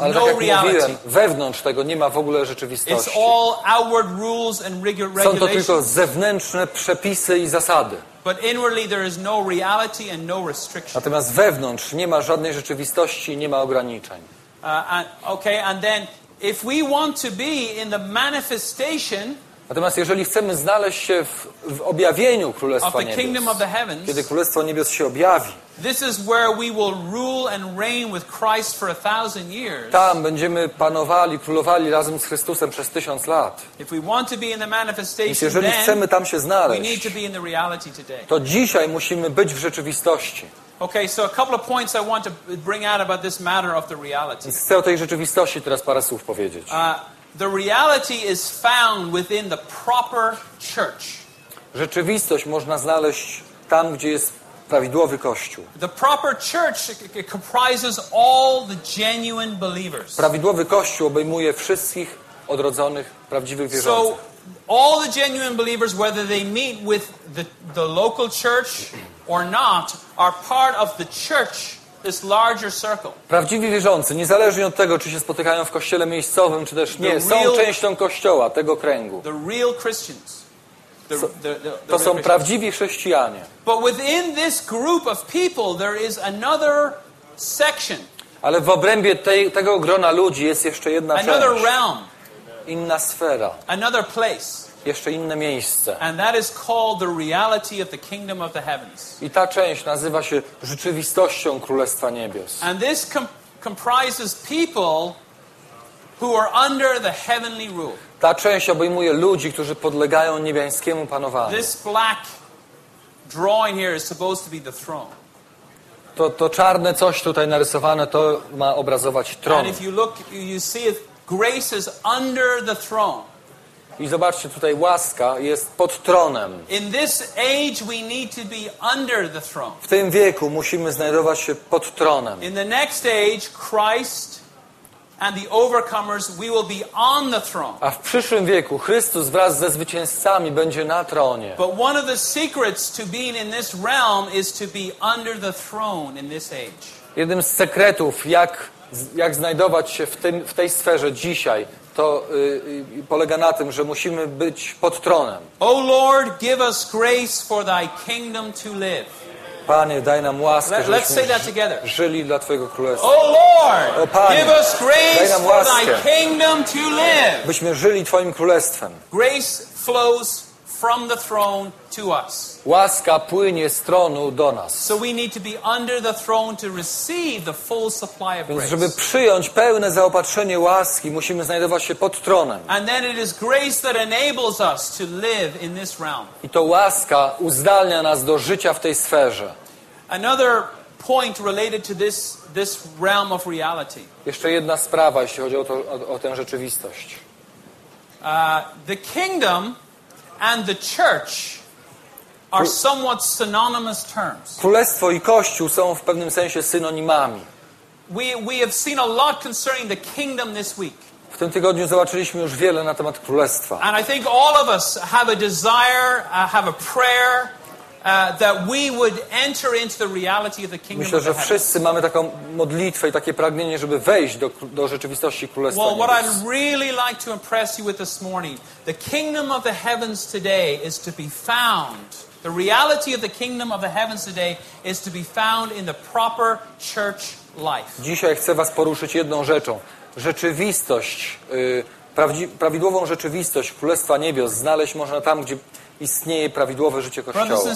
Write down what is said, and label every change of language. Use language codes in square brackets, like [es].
[pl] ale no tak [en] reality. [pl] Mówiłem, wewnątrz tego nie ma w ogóle rzeczywistości. [en] It's all outward rules and [pl] są to tylko zewnętrzne przepisy i zasady. [en] But inwardly there is no reality and no restriction. [pl] Natomiast wewnątrz nie ma żadnej rzeczywistości i nie ma ograniczeń. [en] Okay, and then if we want to be in the manifestation, [pl] natomiast jeżeli chcemy znaleźć się w objawieniu Królestwa [en] of the kingdom [pl] Niebios, [en] of the heavens, [pl] kiedy Królestwo Niebios się objawi, [en] this is where we will rule and reign with Christ for 1,000 years. [pl] Tam będziemy panowali, królowali razem z Chrystusem przez 1,000 lat. [en] If we want to be in the manifestation, [pl] więc jeżeli [en] then [pl] chcemy tam się znaleźć, [en] we need to be in the reality today. [pl] To dzisiaj musimy być w rzeczywistości. [en] Okay, so a couple of points I want to bring out about this matter of the reality. [pl] Chcę o tej rzeczywistości teraz parę słów powiedzieć. [en] The reality is found within the proper church. [pl] Rzeczywistość można znaleźć tam, gdzie jest prawidłowy kościół. [en] The proper church comprises all the genuine believers. [pl] Prawidłowy kościół obejmuje wszystkich odrodzonych, prawdziwych wierzących. [en] So all the genuine believers, whether they meet with the local church or not, are part of the church, this larger circle. [pl] Prawdziwi wierzący, niezależnie od tego, czy się spotykają w kościele miejscowym, czy też nie, są częścią kościoła, tego kręgu. [en] The real Christians. [pl] To są prawdziwi chrześcijanie. [en] But within this group of people, there is another section. [pl] Ale w obrębie tego grona ludzi jest jeszcze jedna część. [en] Another realm. [pl] Inna sfera. [en] Another place. [pl] Jeszcze inne miejsce. [en] And that is called the reality of the kingdom of the heavens. [pl] I ta część nazywa się rzeczywistością Królestwa Niebios. [en] And this comprises people who are under the heavenly rule. [pl] Ta część obejmuje ludzi, którzy podlegają niebiańskiemu panowaniu. [en] This black drawing here is supposed to be the throne. [pl] To czarne coś tutaj narysowane, to ma obrazować tron. [en] And if you look, you see it, grace is under the throne. [pl] I zobaczcie, tutaj łaska jest pod tronem. [en] In this age we need to be under the throne. [pl] W tym wieku musimy znajdować się pod tronem. [en] In the next age, Christ and the overcomers, we will be on the throne. [pl] A w przyszłym wieku Chrystus wraz ze zwycięzcami będzie na tronie. [en] But one of the secrets to being in this realm is to be under the throne in this age. [pl] Jednym z sekretów, jak znajdować się w tej sferze dzisiaj, to polega na tym, że musimy być pod tronem. [en] O Lord, give us grace for thy kingdom to live. [pl] Panie, daj nam łaskę, żebyśmy żyli dla Twojego Królestwa. [en] O Lord, [pl] o Panie, [en] give us grace, [pl] daj nam łaskę, [en] for thy kingdom to live. [pl] Byśmy żyli Twoim Królestwem. [en] Grace flows from the throne to us. [pl] Łaska płynie z tronu do nas. [en] So we need to be under the throne to receive the full supply of grace. [pl] Więc żeby przyjąć pełne zaopatrzenie łaski, musimy znajdować się pod tronem. [en] And then it is grace that enables us to live in this realm. [pl] I to łaska uzdalnia nas do życia w tej sferze. [en] Another point related to this realm of reality. [pl] Jeszcze jedna sprawa, jeśli chodzi o tę rzeczywistość. [en] The kingdom and the church are somewhat synonymous terms. [pl] Królestwo i kościół są w pewnym sensie synonimami. [en] We have seen a lot concerning the kingdom this week. [pl] W tym tygodniu zobaczyliśmy już wiele na temat królestwa. [en] And I think all of us have a desire, have a prayer that we would enter into the reality of the kingdom. [pl] Myślę, że wszyscy mamy taką modlitwę i takie pragnienie, żeby wejść do rzeczywistości królestwa. [en] Well, what I'd really like to impress you with this morning, the kingdom of the heavens today is to be found. The reality of the kingdom of the heavens today is to be found in the proper church life. [pl] Dzisiaj chcę was poruszyć jedną rzeczą. rzeczywistość, prawidłową rzeczywistość Królestwa Niebios znaleźć można tam, gdzie istnieje prawidłowe życie Kościoła.